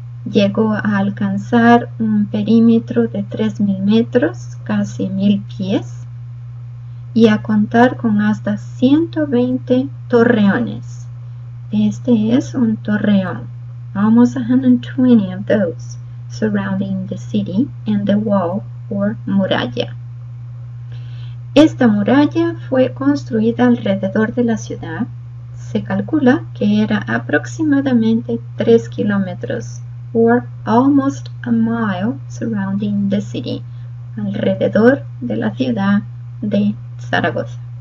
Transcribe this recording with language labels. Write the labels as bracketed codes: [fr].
[es] Llegó a alcanzar un perímetro de 3,000 metros, casi 1,000 pies, y a contar con hasta 120 torreones. Este es un torreón. [en] Almost 120 of those surrounding the city and the wall or muralla. [es] Esta muralla fue construida alrededor de la ciudad. Se calcula que era aproximadamente 3 kilómetros [en] or almost a mile surrounding the city, [es] alrededor de la ciudad de Zaragoza.